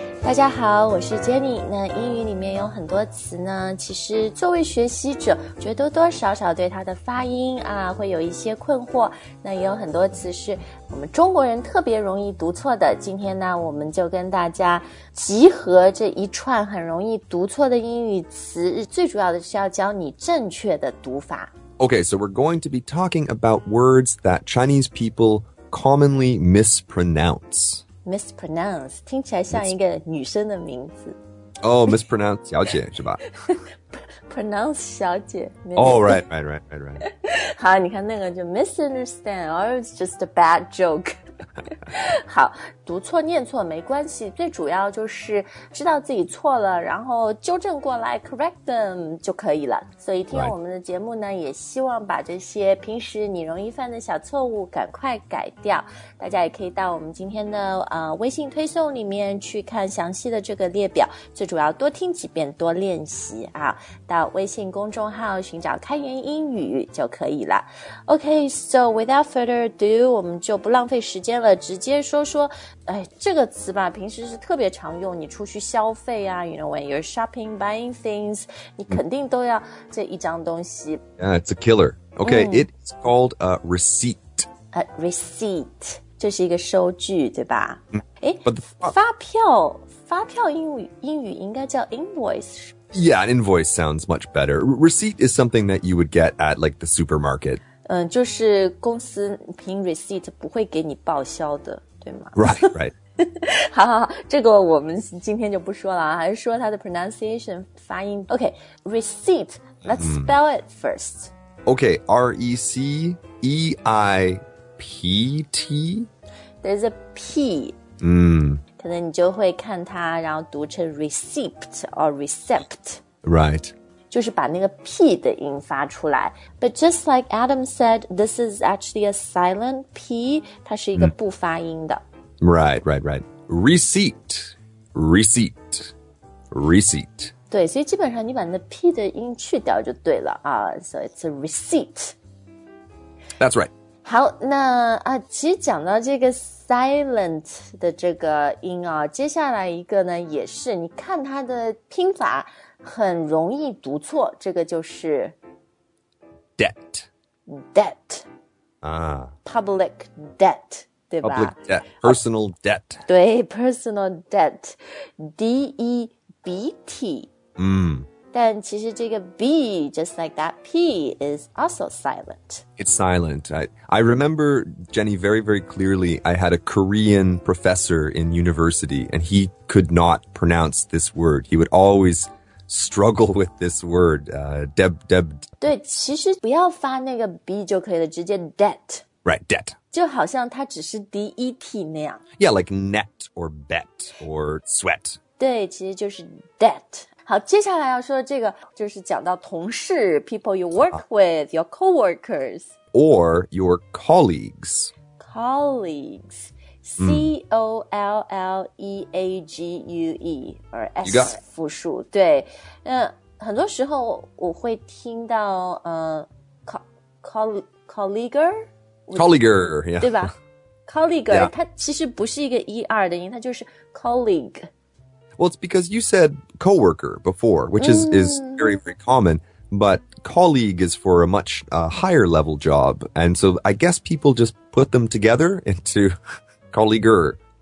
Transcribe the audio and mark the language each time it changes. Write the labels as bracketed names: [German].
[Chinese] 大家好，我是 Jenny。那英语里面有很多词呢，其实作为学习者，觉得多多少少对它的发音啊会有一些困惑。那也有很多词是我们中国人特别容易读错的。今天呢，我们就跟大家集合这一串很容易读错的英语词，最主要的是要教你正确的读法。 [English] Okay, so we're going to be talking about words that Chinese people commonly mispronounce. [Chinese] Mispronounce, 听起来像一个女生的名字。 Oh, mispronounce 小姐是吧 ?Pronounce 小姐。 [English] Oh, right. [Chinese] 好，你看那个就 [English] misunderstand, or it's just a bad joke. [Chinese] 好，读错念错没关系，最主要就是知道自己错了，然后纠正过来 , [English] correct them [Chinese] 就可以了。所以听我们的节目呢，也希望把这些平时你容易犯的小错误赶快改掉。大家也可以到我们今天的微信推送里面去看详细的这个列表，最主要多听几遍多练习啊，到微信公众号寻找开源英语就可以了。 [English] Okay, so without further ado, [Chinese] 我们就不浪费时间了，直接说说哎，这个词吧，平时是特别常用。你出去消费啊 ， [English] you know when you're shopping, buying things, [Chinese] 你肯定都要这一张东西。 [English] Yeah, it's a killer. Okay, it's called a receipt. [Chinese] A receipt 就是一个收据，对吧？哎、发票英语应该叫 invoice。 [English] Yeah, an invoice sounds much better. Receipt is something that you would get at like the supermarket. [Chinese] 嗯，就是公司凭 receipt 不会给你报销的。 [English] Right. [Chinese] 好好好，这个我们今天就不说了啊，还是说它的 pronunciation 发音。 [English] Okay, receipt. Let's spell it first. Okay, receipt. There's a p. [Chinese] 可能你就会看它，然后读成 receipt or recept. [English] Right. [Chinese] 就是把那个 P 的音发出来 [English] But just like Adam said, this is actually a silent P. [Chinese] 它是一个不发音的 [English] Right. Receipt. [Chinese] 对，所以基本上你把那 P 的音去掉就对了啊。 [English] So it's a receipt. That's right. [Chinese] 好，那啊，其实讲到这个silent 的这个音啊，接下来一个呢也是，你看它的拼法很容易读错，这个就是 [English] debt 啊，public debt [Chinese] 对吧 [English] ？public debt，personal debt，对 ，personal debt，debt， [Chinese] 但其实这个 [English] b just like that p is also silent. It's silent. I remember Jenny very very clearly. I had a Korean professor in university, and he could not pronounce this word. He would always struggle with this word. Deb. [Chinese] 对，其实不要发那个 b 就可以了，直接 debt. [English] Right, debt. [Chinese] 就好像它只是 det 那样。 [English] Yeah, like net or bet or sweat. [Chinese] 对，其实就是 debt. 好，接下来要说这个就是讲到同事 [English] people you work with, your coworkers. Or your colleagues. Colleagues. C-O-L-L-E-A-G-U-E. [Chinese] Or S 复数。对。很多时候我会听到colleaguer? [English] Colleaguer, yeah. [Chinese] 对吧 ?colleaguer, 它其实不是一个 ER 的音它就是 colleague. [English] Well, it's because you said coworker before, which is very, very common. But colleague is for a much higher level job. And so I guess people just put them together into colleaguer.